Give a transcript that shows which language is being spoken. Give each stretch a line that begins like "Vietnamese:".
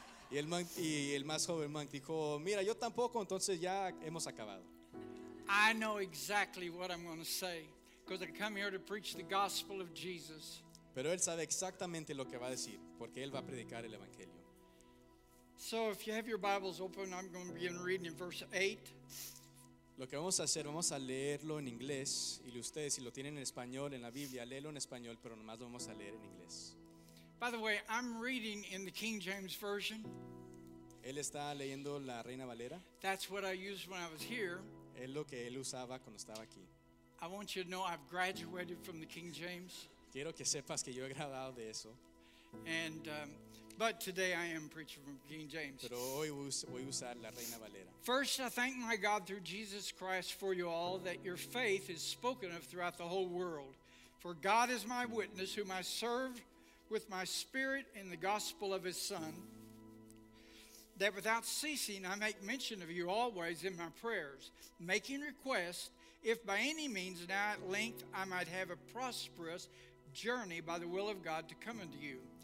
Spanish: y el más joven monk dijo, "Mira, yo tampoco. Entonces ya hemos acabado."
English: I know exactly what I'm going to say because I come here to preach the gospel of Jesus.
Spanish: Pero él sabe exactamente lo que va a decir, porque él va a predicar el evangelio.
English: So if you have your Bibles open, I'm going to begin reading in verse 8.
Spanish: Lo que vamos a hacer, vamos a leerlo en inglés, y ustedes si lo tienen en español en la Biblia, léelo en español, pero nomás lo vamos a leer en inglés.
English: By the way, I'm reading in the King James Version.
Spanish: Él está leyendo la Reina Valera.
English: That's what I used when I was here.
Spanish: Es lo que él usaba cuando estaba aquí.
English: I want you to know I've graduated from the King James.
Spanish: Quiero que sepas que yo he graduado de eso.
English: And but today I am preaching from King James.
Spanish: Pero hoy voy a usar la Reina Valera.
English: First, I thank my God through Jesus Christ for you all that your faith is spoken of throughout the whole world. For God is my witness, whom I serve with my spirit in the gospel of his Son, that without ceasing I make mention of you always in my prayers, making request, if by any means now at length I might have a prosperous journey by the will of God to come unto you.